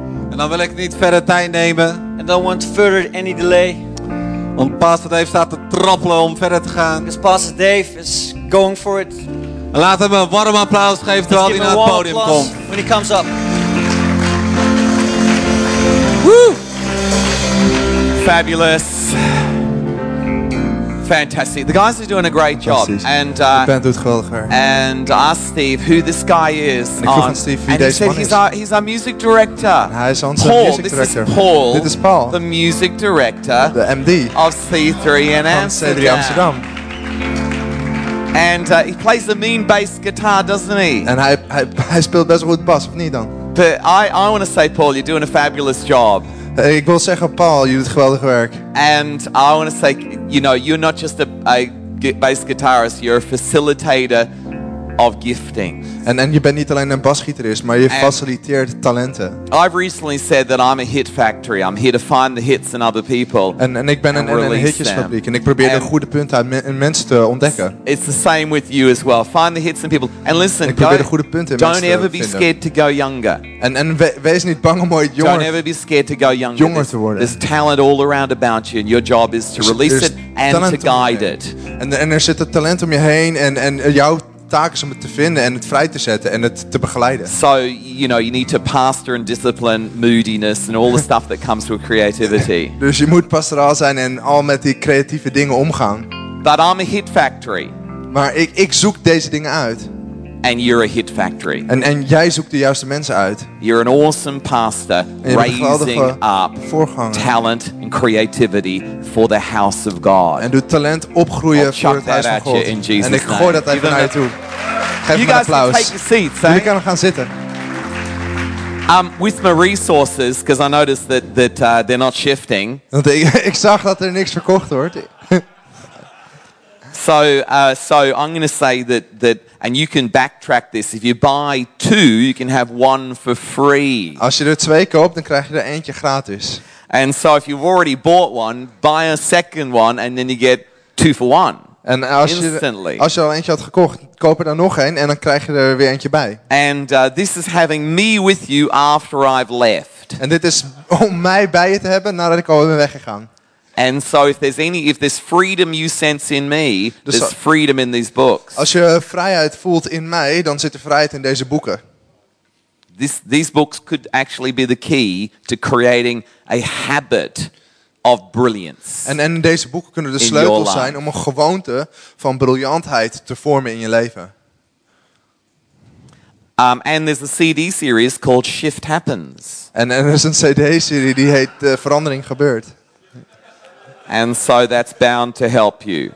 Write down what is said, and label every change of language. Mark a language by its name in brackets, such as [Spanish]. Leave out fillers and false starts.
[Dutch] En dan wil ik niet verder tijd nemen. [English] And don't want further any delay. [Dutch] Want Pastor Dave staat te trappelen om verder te gaan. [English] Because Pastor Dave is going for it. [Dutch] En laat hem een warm applaus geven terwijl hij naar het podium komt. [English] When he comes up. Woo! Fabulous. Fantastic. The guys are doing a great job. [Dutch] And de band doet geweldig werk. [English] And asked Steve who this guy is. [Dutch] En ik vroeg aan Steve wie deze man is. [English] He's our music director. [Dutch] En hij is onze Paul, music director. [English] This is Paul. [Dutch] Dit is Paul. [English] The music director. [Dutch] De MD. [English] Of C3 in Amsterdam. [Dutch] Amsterdam. [English] And he plays the mean bass guitar, doesn't he? [Dutch] En hij speelt best wel goed bas, of niet dan? [English] But I want to say, Paul, you're doing a fabulous job. [Dutch] Ik wil zeggen, Paul, je doet geweldig werk. [English] And I want to say, you know, you're not just a bass guitarist, you're a facilitator of gifting. [Dutch] En je bent niet alleen een basgitarist, maar je faciliteert talenten. [English] I've recently said that I'm a hit factory. I'm here to find the hits in other people. [Dutch] En ik ben een hitjesfabriek en ik probeer de goede punten in mensen te ontdekken. [English] It's the same with you as well. Find the hits in people. And listen, don't ever be scared to go younger. [Dutch] En wees niet bang om ooit jonger. [English] Don't ever be scared to go younger. [Dutch] Jonger te worden. [English] There's talent all around about you, and your job is to release it and to guide it. [Dutch] En er zit het talent om je heen en jouw taak is om het te vinden en het vrij te zetten en het te begeleiden. [English] So, you know, you need to pastor and discipline moodiness and all the stuff that comes with creativity. [Dutch] Dus je moet pastoraal zijn en al met die creatieve dingen omgaan. [English] But I'm a hit factory. [Dutch] Maar ik zoek deze dingen uit. [English] And you're a hit factory. [Dutch] En jij zoekt de juiste mensen uit. [English] You're an awesome pastor raising up [Dutch] voorganger. [English] Talent and creativity for the house of God. [Dutch] En doet talent opgroeien [English] I'll [Dutch] voor het huis van God. [English] In Jesus [Dutch] en ik gooi dat even naar je toe. Geef [English] you [Dutch] me een applaus. [English] Can take your seats, [Dutch] jullie kunnen gaan zitten. [English] With my resources, because I noticed that they're not shifting. [Dutch] Want ik zag dat er niks verkocht wordt. [English] So I'm going to say that, and you can backtrack this. If you buy two, you can have one for free. [Dutch] Als je er twee koopt, dan krijg je er eentje gratis. [English] And so if you've already bought one, buy a second one, and then you get two for one. [Dutch] En als je al eentje had gekocht, koop er dan nog een, en dan krijg je er weer eentje bij. [English] And this is having me with you after I've left. [Dutch] En dit is om mij bij je te hebben nadat ik al ben weggegaan. [English] And so if there's freedom you sense in me, there's freedom in these books. [Dutch] Als je vrijheid voelt in mij, dan zit de vrijheid in deze boeken. [English] These books could actually be the key to creating a habit of brilliance. [Dutch] En deze boeken kunnen de sleutel zijn om een gewoonte van briljantheid te vormen in je leven. [English] And there's a CD series called Shift Happens. [Dutch] En er is een CD-serie die heet Verandering Gebeurt. [English] And so that's bound to help you.